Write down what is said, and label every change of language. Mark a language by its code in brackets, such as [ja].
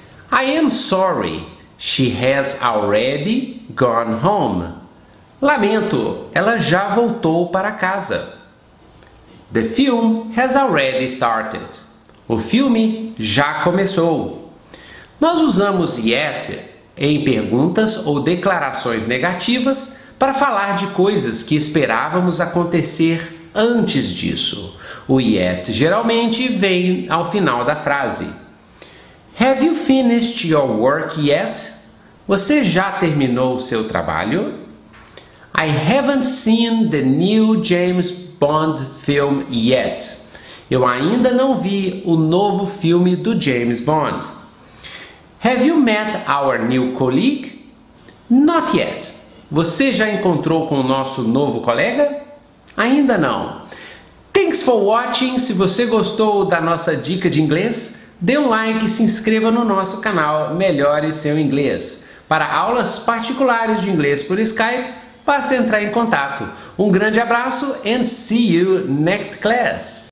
[en] I am sorry, she has already gone home. [pt] Lamento, ela já voltou para casa. [en] The film has already started. [pt] O filme já começou. Nós usamos yet em perguntas ou declarações negativas para falar de coisas que esperávamos acontecer antes disso. O yet geralmente vem ao final da frase. [en] Have you finished your work yet? [pt] Você já terminou o seu trabalho? [en] I haven't seen the new James Bond film yet. [pt] Eu ainda não vi o novo filme do James Bond. [en] Have you met our new colleague? Not yet. [pt] Você já encontrou com o nosso novo colega? Ainda não. [en] Thanks for watching. [pt] Se você gostou da nossa dica de inglês, dê um like e se inscreva no nosso canal Melhore Seu Inglês. Para aulas particulares de inglês por Skype, basta entrar em contato. Um grande abraço [en] and see you next class.